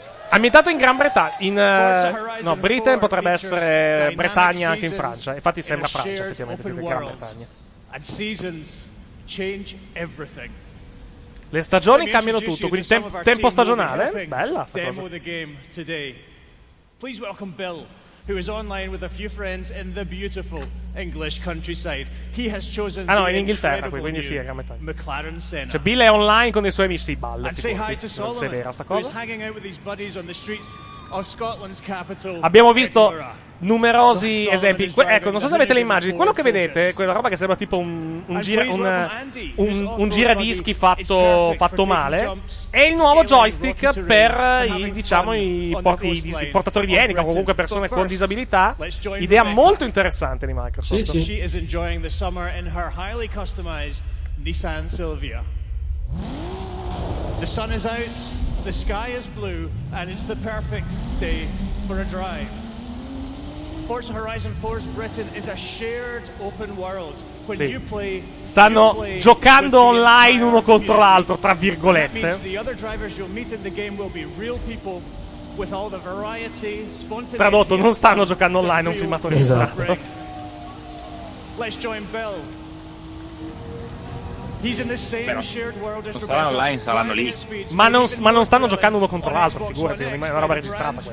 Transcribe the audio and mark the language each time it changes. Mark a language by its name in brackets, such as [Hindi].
[Italian] Ambientato in Gran Bretagna, Britain potrebbe essere Bretagna anche in Francia. Infatti sembra Francia, effettivamente, più che Gran Bretagna. [English] And seasons change everything. [Italian] Le stagioni cambiano tutto, quindi tempo stagionale, bella sta cosa. [English] The game today. Please welcome Bill, who is online with a few friends in the beautiful English countryside. He has chosen [Italian] in Inghilterra qui, quindi sì, a Gran [English] McLaren Senna. [Italian] Cioè Bill è online con i suoi amici, balla. [English] And say hi to Solomon, who is hanging out with his buddies on the streets of Scotland's capital. [Italian] Abbiamo visto numerosi esempi. Ecco, non so se avete le immagini. Quello che vedete, quella roba che sembra tipo un giradischi fatto male, è il nuovo joystick per i portatori di handicap, comunque persone con disabilità. Idea molto interessante di Microsoft. [English] She is enjoying the summer in her highly customized Nissan Silvia. The sun is out, the sky is blue, and it's the perfect day for a drive. Forza Horizon 4's Britain is a shared open world. When you play, [Italian] stanno giocando online uno contro l'altro, tra virgolette. [English] The other drivers you'll meet in the game will be real people with all the variety, spontaneity. [Italian] Tradotto, non stanno giocando online un filmato registrato. [English] Let's join Bill. He's in the same shared world as [Italian] Roberto. Saranno online, saranno lì. Ma non stanno giocando uno contro l'altro, figurati, è una roba registrata questa.